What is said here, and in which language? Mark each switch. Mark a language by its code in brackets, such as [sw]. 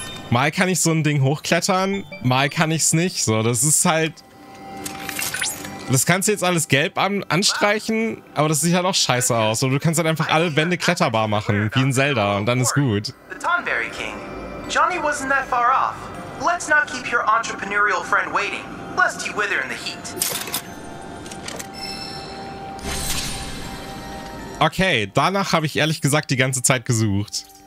[de] Mal kann ich so ein Ding hochklettern, mal kann ich es nicht. So, das ist halt... Das kannst du jetzt alles gelb anstreichen, aber das sieht halt auch scheiße aus. Und du kannst halt einfach alle Wände kletterbar machen, wie in Zelda, und dann ist gut. [en] The Tonberry King. Johnny wasn't that far off. Let's not keep your entrepreneurial friend waiting, lest he wither in the heat. [de] Okay, danach habe ich ehrlich gesagt die ganze Zeit gesucht.